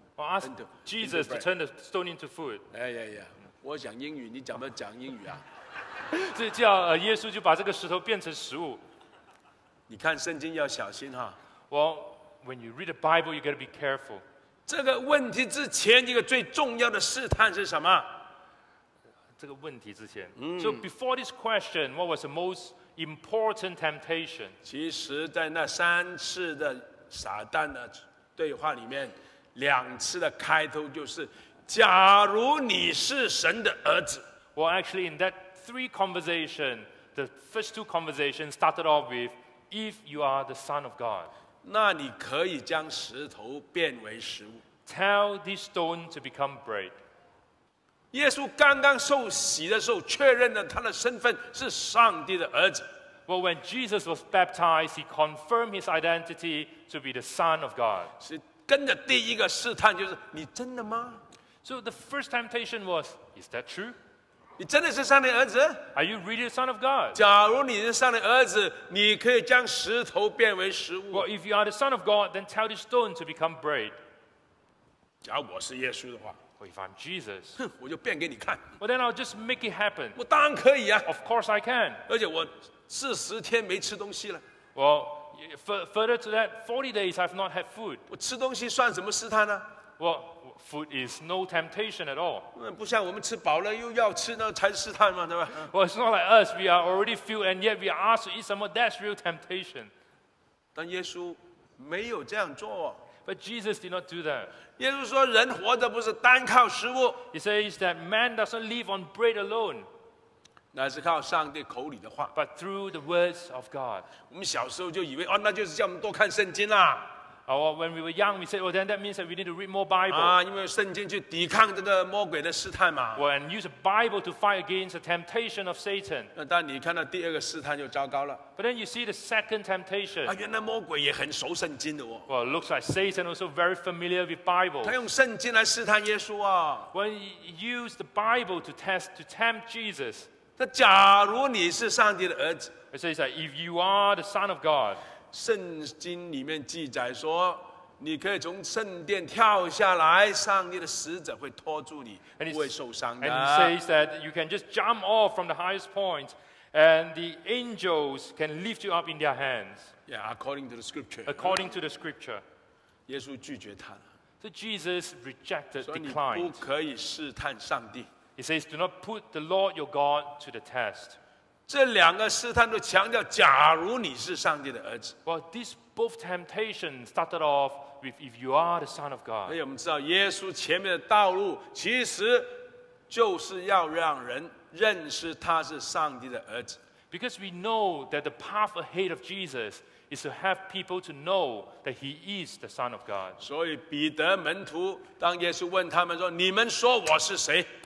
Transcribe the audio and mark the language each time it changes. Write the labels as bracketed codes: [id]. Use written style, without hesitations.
[en] Well, ask Jesus to turn the stone into food. Yeah, yeah, yeah. [zh] 我讲英语，你讲不讲英语啊？这叫耶稣就把这个石头变成食物。你看圣经要小心哈。 [en] Well, when you read the Bible, you got to be careful. [zh] 这个问题之前一个最重要的试探是什么？这个问题之前。 [en] So before this question, what was the most important temptation? [zh] 其实在那三次的撒旦的对话里面，两次的开头就是，假如你是神的儿子。 [en] Well, actually, in that three conversation, the first two conversations started off with,If you are the Son of God, [zh] 那你可以将石头变为食物。 [en] Tell this stone to become bread. [zh] 耶稣刚刚受洗的时候，确认了他的身份是上帝的儿子。 [en] Well, when Jesus was baptized, he confirmed his identity to be the Son of God. [zh] 是跟着第一个试探就是你真的吗 [en] ？So the first temptation was, is that true? [zh] 你真的是上帝儿子 [en] ？Are you really the son of God？ [zh] 假如你是上帝儿子，你可以将石头变为食物。 [en] Well, if you are the son of God, then tell the stone to become bread. [zh] 假如我是耶稣的话 [en] ，Well, if I'm Jesus， [zh] 我就变给你看。 [en] Well, then I'll just make it happen. [zh] 我当然可以啊。 [en] Of course I can. [zh] 而且我四十天没吃东西了。 [en] Well, further to that, 40 days I've not had food. [zh] 我吃东西算什么试探呢、啊、 [en] ？Well。 Food is no temptation at all. [zh] 不像我们吃饱了又要吃，那才是试探嘛，对吧 [en] ？Well, it's not like us. We are already filled, and yet we are asked to eat some more. That's real temptation. [zh] 但耶稣没有这样做。 [en] But Jesus did not do that. [zh] 耶稣说，人活着不是单靠食物。 [en] He says that man doesn't live on bread alone. [zh] 乃是靠上帝口里的话。 [en] But through the words of God. [zh] 我们小时候就以为，哦，那就是叫我们多看圣经啦。 [en] When we were young, we said, "Well, then that means that we need to read more Bible." [zh] 因为圣经去抵抗这个魔鬼的试探嘛。 [en] Well, and use the Bible to fight against the temptation of Satan. [zh] 但你看到第二个试探就糟糕了。 [en] But then you see the second temptation. [zh] 原来魔鬼也很熟圣经的哦。 [en] Well, looks like Satan also very familiar with Bible. [zh] 他用圣经来试探耶稣啊。 [en] Well, he used the Bible to tempt Jesus. [zh] 他假如你是上帝的儿子。 [en] He says that if you are the Son of God. [zh] 圣经里面记载说，你可以从圣殿跳下来，上帝的使者会拖住你，不会受伤的。 [en] And he says that you can just jump off from the highest point, and the angels can lift you up in their hands. Yeah, according to the scripture. According to the scripture. [zh] 耶稣拒绝他。 [en] So Jesus rejected, declined. [zh] 所以你不可以试探上帝。 [en] He says, do not put the Lord your God to the test. [zh] 这两个试探都强调，假如你是上帝的儿子。 [en] Well, these both temptations started off with if you are the son of God. [zh] 而且我们知道，耶稣前面的道路其实就是要让人认识他是上帝的儿子。 [en] Because we know that the path ahead of Jesus is to have people to know that he is the son of God. [zh] 所以彼得门徒当耶稣问他们说：“你们说我是谁？”